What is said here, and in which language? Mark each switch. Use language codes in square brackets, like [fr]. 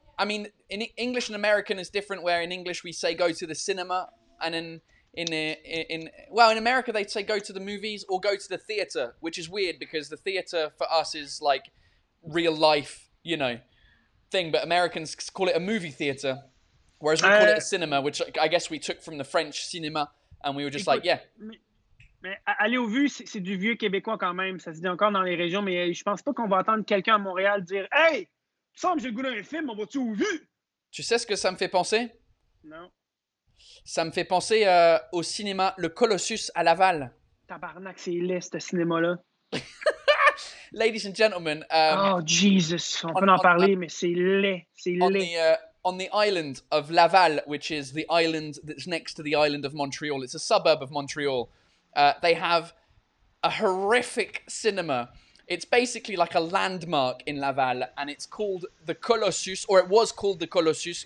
[en] I mean, in English and American is different, where in English we say go to the cinema, and in America they'd say go to the movies or go to the theater, which is weird because the theater for us is like real life, you know, thing. But Americans call it a movie theater, whereas we call it a cinema, which I guess we took from the French cinema, and we were just like, yeah. [fr] Mais aller au vu, c'est du vieux québécois quand même. Ça se dit encore dans les régions, mais je pense pas qu'on va entendre quelqu'un à Montréal dire, hey, semble j'ai le goût d'un film, on va-tu au vu? Tu sais ce que ça me fait penser? Non. Ça me fait penser au cinéma Le Colossus à Laval. Tabarnak, c'est laid, ce cinéma-là. [en] Ladies and gentlemen... [fr] Jesus, on peut en parler, mais c'est laid, c'est laid. [en] On the island of Laval, which is the island that's next to the island of Montreal, it's a suburb of Montreal, they have a horrific cinema. It's basically like a landmark in Laval, and it's called The Colossus, or it was called The Colossus.